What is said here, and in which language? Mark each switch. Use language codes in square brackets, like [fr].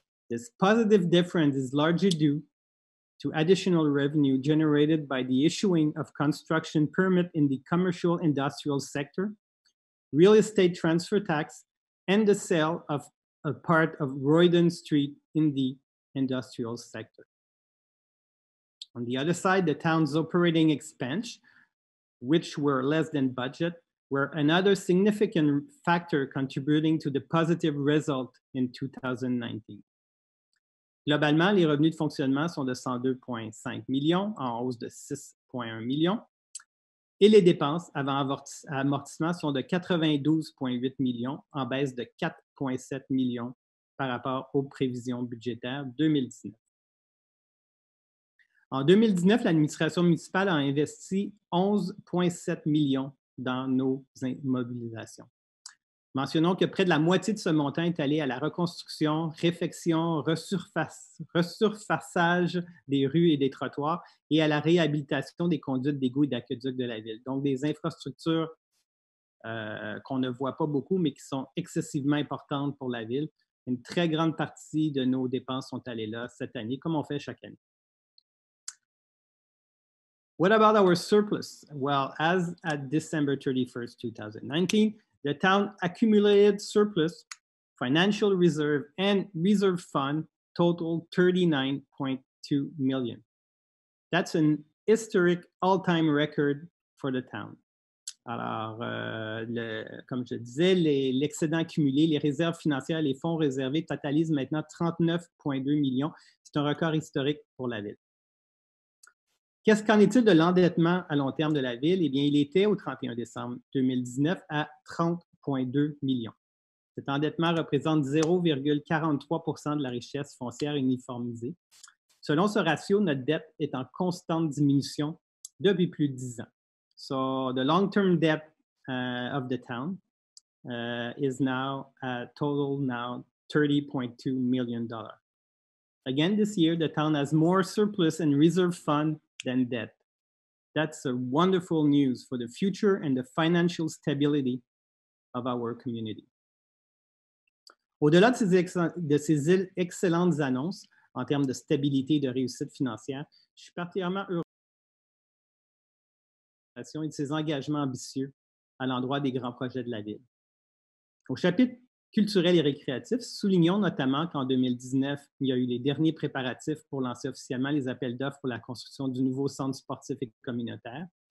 [en] This positive difference is largely due to additional revenue generated by the issuing of construction permit in the commercial industrial sector, real estate transfer tax, and the sale of a part of Royden Street in the industrial sector. On the other side, the town's operating expense, which were less than budget, were another significant factor contributing to the positive result in 2019. [fr] Globalement, les revenus de fonctionnement sont de 102,5 millions, en hausse de 6,1 millions. Et les dépenses avant amortissement sont de 92,8 millions, en baisse de 4,7 millions par rapport aux prévisions budgétaires 2019. En 2019, l'administration municipale a investi 11,7 millions dans nos immobilisations. Mentionnons que près de la moitié de ce montant est allé à la reconstruction, réfection, resurfaçage des rues et des trottoirs et à la réhabilitation des conduites d'égouts et d'aqueducs de la ville. Donc, des infrastructures qu'on ne voit pas beaucoup, mais qui sont excessivement importantes pour la ville. Une très grande partie de nos dépenses sont allées là cette année, comme on fait chaque année. [en] What about our surplus? Well, as at December 31st, 2019, the town accumulated surplus, financial reserve, and reserve fund totaled $39.2 million. That's an historic all-time record for the town. [fr] Alors, comme je disais, l'excédent accumulé, les réserves financières, les fonds réservés totalisent maintenant 39,2 millions. C'est un record historique pour la ville. Qu'est-ce qu'en est-il de l'endettement à long terme de la ville? Eh bien, il était au 31 décembre 2019 à 30,2 millions. Cet endettement représente 0,43% de la richesse foncière uniformisée. Selon ce ratio, notre dette est en constante diminution depuis plus de 10 ans. [en] So, the long-term debt of the town is now total now $30.2 million. Again, this year, the town has more surplus and reserve fund than debt. That's a wonderful news for the future and the financial stability of our community. [fr] Au-delà de ces excellentes annonces en termes de stabilité et de réussite financière, je suis particulièrement heureux de ses engagements ambitieux à l'endroit des grands projets de la ville. Au chapitre culturel et récréatif, soulignons notamment qu'en 2019, il y a eu les derniers préparatifs pour lancer officiellement les appels d'offres pour la construction du nouveau centre sportif et communautaire.